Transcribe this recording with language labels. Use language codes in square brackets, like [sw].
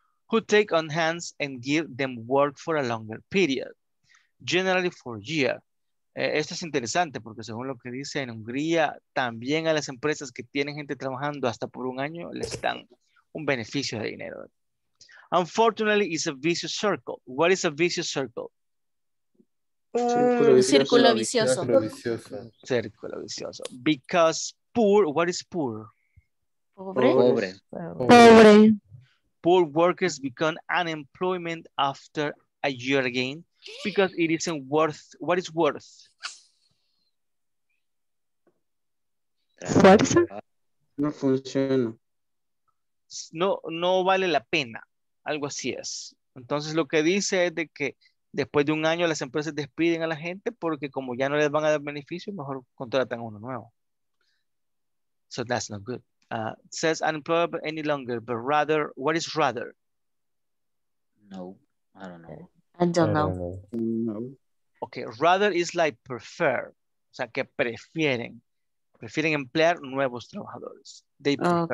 [en] Who take on hands and give them work for a longer period. Generally for year. [es] Esto es interesante porque según lo que dice en Hungría, también a las empresas que tienen gente trabajando hasta por un año, les dan un beneficio de dinero. [en] Unfortunately, it's a vicious circle. What is a vicious circle? [es] Círculo vicioso. [en] Because poor, what is poor? [es] Pobre. [en] Poor workers become unemployed after a year again because it isn't worth, what is worth? [es] Fuerza. No funciona. No vale la pena. Algo así es. Entonces lo que dice es de que después de un año las empresas despiden a la gente porque como ya no les van a dar beneficio, mejor contratan a uno nuevo. [en] So that's not good. Says unemployable any longer, but rather, what is rather? No, I don't know. Okay, rather is like prefer. [es] O sea, que prefieren. Prefieren emplear nuevos trabajadores. [en] They prefer.